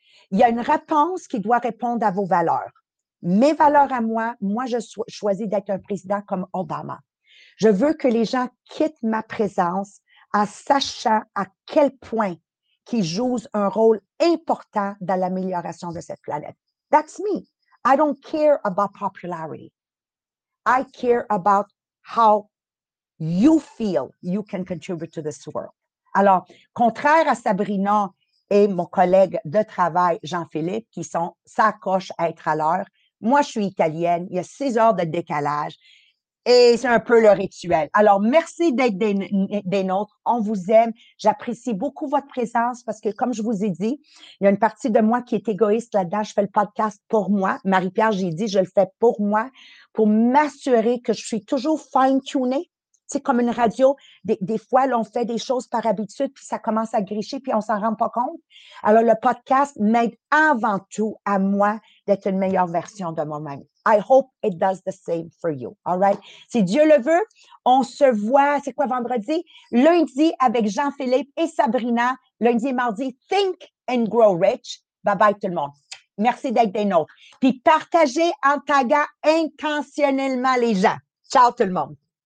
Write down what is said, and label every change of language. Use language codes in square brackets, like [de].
[fr] Il y a une réponse qui doit répondre à vos valeurs. Mes valeurs à moi, moi je choisis d'être un président comme Obama. Je veux que les gens quittent ma présence en sachant à quel point qui joue un rôle important dans l'amélioration de cette planète. [en] That's me. I don't care about popularity. I care about how you feel you can contribute to this world. [fr] Alors, contraire à Sabrina et mon collègue de travail, Jean-Philippe, qui sont s'accrochent à être à l'heure, moi, je suis italienne, il y a 6 heures de décalage et c'est un peu le rituel. Alors, merci d'être des nôtres. On vous aime. J'apprécie beaucoup votre présence parce que, comme je vous ai dit, il y a une partie de moi qui est égoïste là-dedans. Je fais le podcast pour moi. Marie-Pierre, j'ai dit, je le fais pour moi, pour m'assurer que je suis toujours fine-tunée. C'est comme une radio. Des fois, là, on fait des choses par habitude, puis ça commence à gricher, puis on s'en rend pas compte. Alors, le podcast m'aide avant tout à moi d'être une meilleure version de moi-même. [en] I hope it does the same for you. All right? [fr] Si Dieu le veut, on se voit, c'est quoi, vendredi? Lundi avec Jean-Philippe et Sabrina. Lundi et mardi, think and grow rich. Bye-bye tout le monde. Merci d'être des nôtres. Puis partagez en taguant intentionnellement les gens. Ciao tout le monde.